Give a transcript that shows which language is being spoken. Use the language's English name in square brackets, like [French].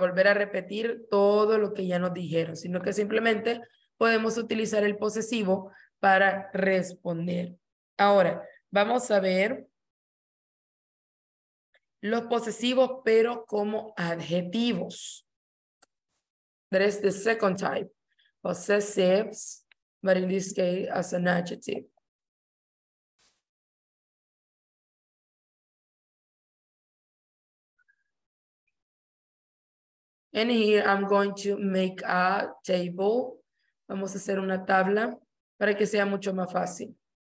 [Spanish] Volver a repetir todo lo que ya nos dijeron, sino que simplemente podemos utilizar el posesivo para responder. Ahora, vamos a ver los posesivos, pero como adjetivos. [English] That is the second type. Possessives, but in this case as an adjective. And here I'm going to make a table. [Spanish] Vamos a hacer una tabla para que sea mucho más fácil.